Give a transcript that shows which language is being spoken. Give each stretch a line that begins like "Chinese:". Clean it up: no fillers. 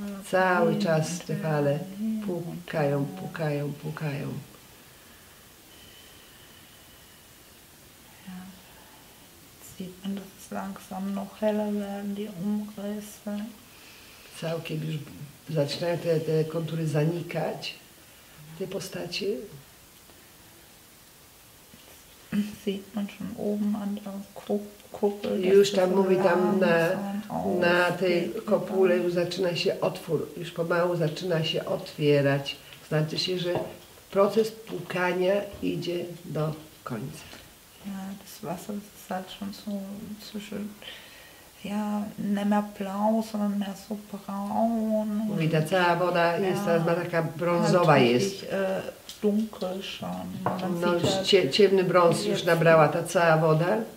Polish: Cały czas te fale pukają, pukają, pukają.
German: Sieht man, dass es langsam noch heller werden, die Umrisse.
Polish: Całkiem już zaczynają te, te kontury zanikać w tej postaci.
German: Sieht man schon oben an der Kuppel.
Polish: Już tam mówi, tam na tej kopule już zaczyna się otwór, już pomału zaczyna się otwierać. Znaczy się, że proces pukania idzie do końca.
German: Ja, das Wasser ist halt schon so zwischen, ja, nie mehr blau, sondern mehr so braun.
Polish: Mówi, ta cała woda jest teraz, ma taka brązowa jest.
German: Dunkel schon.
Polish: No już ciemny brąz już nabrała ta cała woda.